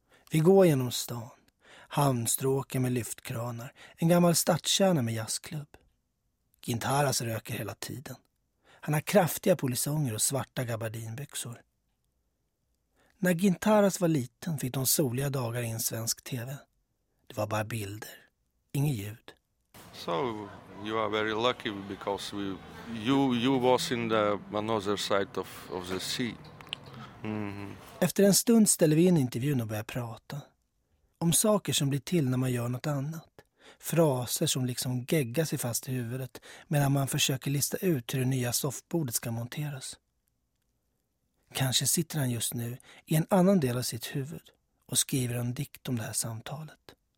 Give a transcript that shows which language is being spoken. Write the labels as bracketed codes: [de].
[sv] Vi går genom stan, hamnstråken med lyftkranar, en gammal stadskärna med jazzklubb. Gintaras röker hela tiden. Han har kraftiga polisonger och svarta gabardinbyxor. När Gintaras var liten fick de soliga dagar i en svensk TV. Det var bara bilder, inget ljud. [en] So you are very lucky because you was in the another side of the sea. [sv] Efter en stund ställer vi in intervjun och börjar prata om saker som blir till när man gör något annat. Fraser som liksom geggar sig fast i huvudet medan man försöker lista ut hur det nya soffbordet ska monteras. Kanske sitter han just nu i en annan del av sitt huvud och skriver en dikt om det här samtalet.